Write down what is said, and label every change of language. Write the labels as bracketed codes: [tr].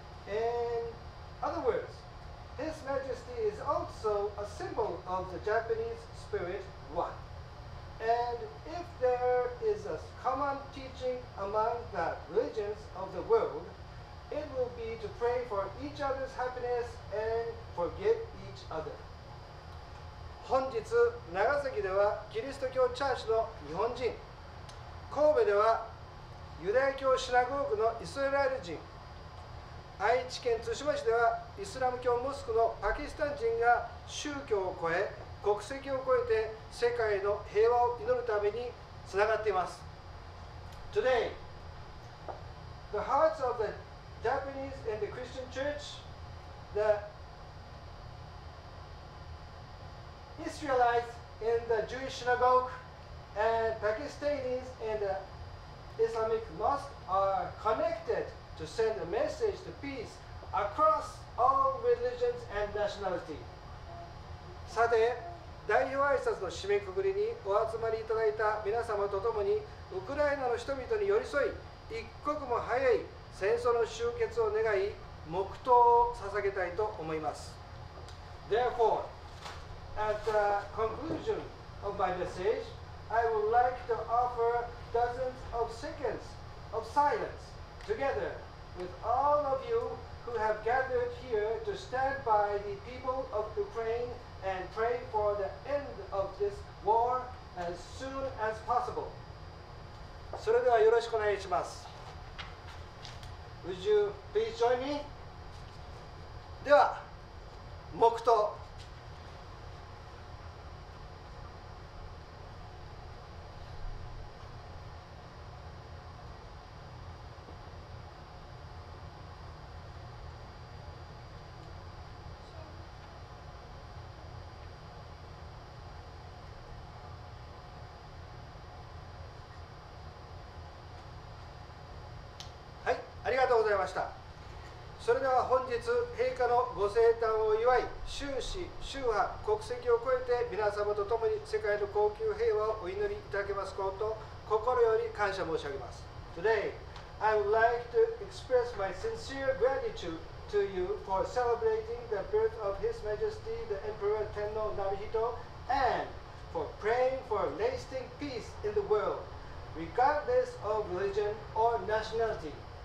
[en] In other words, His Majesty is also a symbol of the Japanese spirit, wa. And if there is a common teaching among the religions of the world, it will be to pray for each other's happiness and forgive each other. [ja] 本日、長崎ではキリスト教チャーチの日本人、神戸ではユダヤ教シナゴーグのイスラエル人、愛知県津島市ではイスラム教モスクのパキスタン人が宗教を超え、国籍を超えて世界の平和を祈るためにつながっています。 [en] Today, the hearts of the Japanese and the Christian Church, the Israelites in the Jewish synagogue, and Pakistanis in the Islamic mosque are connected. To send a message to peace across all religions and nationality. [ja] さて、代表挨拶の締めくくりにお集まりいただいた皆様とともに、ウクライナの人々に寄り添い、一刻も早い戦争の終結を願い、黙祷を捧げたいと思います。 [en] Therefore, at the conclusion of my message, I would like to offer dozens of seconds of silence together. with all of you who have gathered here to stand by the people of Ukraine and pray for the end of this war as soon as possible. [ja] それではよろしくお願いします。 [en] Would you please join me? [ja] では、黙祷。それでは本日陛下のご生誕を祝い、宗氏、宗派、国籍を超えて皆様と共に世界の恒久平和をお祈りいただけますこと、心より感謝申し上げます。 [en] Today, I would like to express my sincere gratitude to you for celebrating the birth of His Majesty the Emperor 天皇成人 and for praying for lasting peace in the world, regardless of religion or nationality.